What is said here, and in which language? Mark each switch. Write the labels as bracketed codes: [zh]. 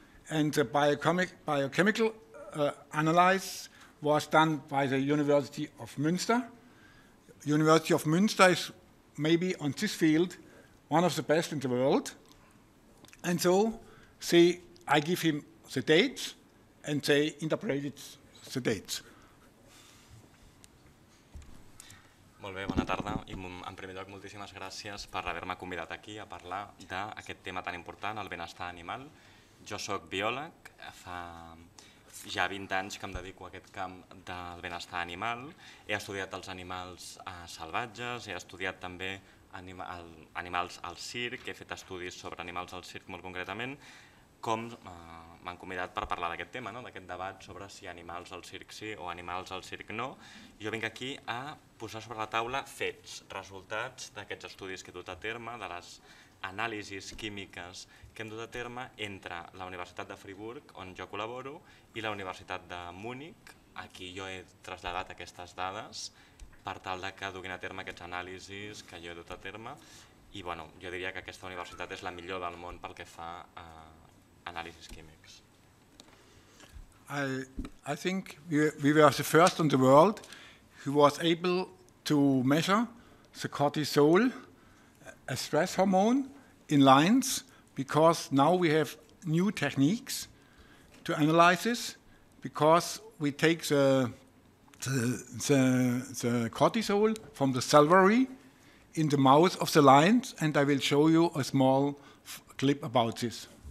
[en] And the biochemical analyze was done by the University of Münster. University of Münster is maybe on this field one of the best in the world. And so, see, I give him the dates and they interpret the dates. [ca] Molt bé, bona tarda. I en primer lloc, moltíssimes gràcies per haver-me convidat aquí a parlar d'aquest tema tan important, el benestar animal. Jo sóc biòleg, fa ja 20 anys que em dedico a aquest camp del benestar animal. He estudiat els animals salvatges, he estudiat també animals al circ, he fet estudis sobre animals al circ molt concretament, com m'han convidat per parlar d'aquest tema, no? D'aquest debat sobre si animals al circ sí o animals al circ no. Jo vinc aquí a posar sobre la taula fets, resultats d'aquests estudis que he dut a terme, de les anàlisis químiques que hem dut a terme entre la Universitat de Friburg, on jo col·laboro, i la Universitat de Múnich, a qui jo he traslladat aquestes dades per tal que duguin a terme aquests anàlisis que jo he dut a terme. I bueno, jo diria que aquesta universitat és la millor del món pel que fa a [en] analysis chemics. I think we were the first in the world who was able to measure the cortisol, a stress hormone, in lions, because now we have new techniques to analyze this, because we take the cortisol from the salivary in the mouth of the lions, and I will show you a small clip about this.